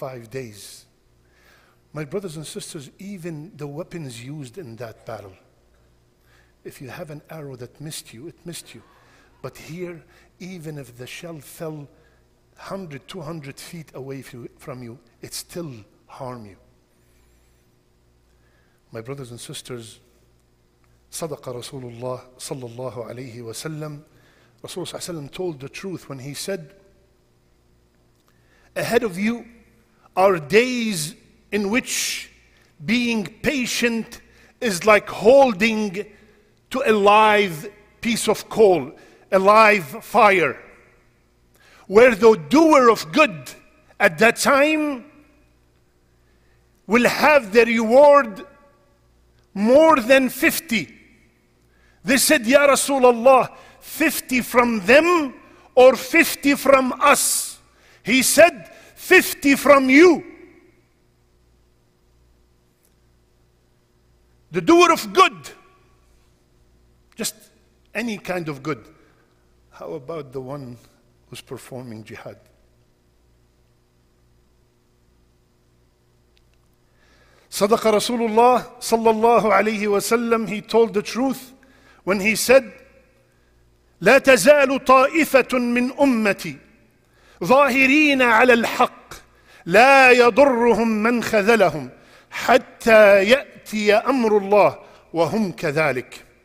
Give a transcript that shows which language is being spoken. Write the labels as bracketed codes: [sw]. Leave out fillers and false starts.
[en] Days. My brothers and sisters, even the weapons used in that battle, if you have an arrow that missed you, it missed you. But here, even if the shell fell 100, 200 feet away from you, it still harm you. My brothers and sisters, [ar] صدق رسول الله صلى الله عليه وسلم. رسول الله صلى الله عليه وسلم [en] told the truth when he said, ahead of you are days in which being patient is like holding to a live piece of coal, a live fire, where the doer of good at that time will have the reward more than 50. They said, Ya Rasulullah, 50 from them or 50 from us? He said, 50 from you. The doer of good, just any kind of good. How about the one who's performing jihad? [ar] Sadaqa Rasulullah sallallahu alayhi wa sallam, [en] he told the truth when he said, [ar] لا تزال طائفة من أمتي ظاهرين على الحق لا يضرهم من خذلهم حتى يأتي أمر الله وهم كذلك.